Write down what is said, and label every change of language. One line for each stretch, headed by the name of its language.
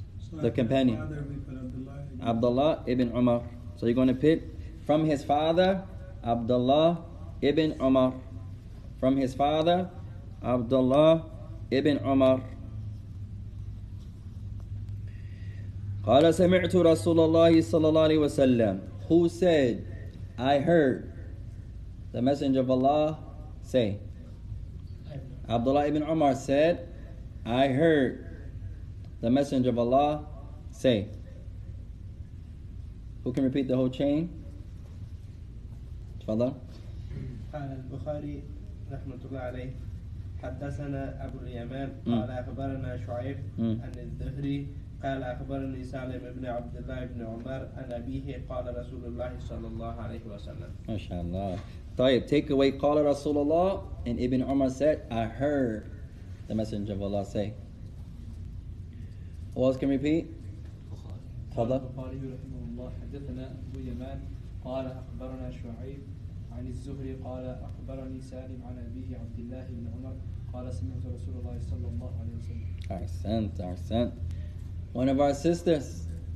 English: So the companion. Father, Abdullah ibn Umar. So you're going to pick from his father, Abdullah ibn Umar. From his father, Abdullah ibn Umar.
Arabic: قال سمعت رسول الله صلى الله عليه وسلم.
English: Who said, I heard the Messenger of Allah say. Abdullah ibn Umar said, I heard the Messenger of Allah say. Who can repeat the whole chain? Tfadal.
Arabic: قال البخاري رحمه الله عليه حدثنا أبو اليمان قال أخبرنا شعيب عن الزهري قال أخبرني سالم بن عبد الله بن عمر عن أبيه قال رسول الله صلى الله عليه وسلم ما شاء الله طيب
English: take away
Arabic: قال رسول الله
English: and Ibn Umar said I heard the Messenger of Allah say Who else can repeat?
Arabic: تفضل البخاري رحمه الله حدثنا أبو يمان قال أخبرنا شعيب عن الزهري قال أخبرني سالم عن أبيه عبد الله بن عمر قال سمعت رسول الله صلى الله عليه وسلم أحسنت أحسنت
English: One of our sisters.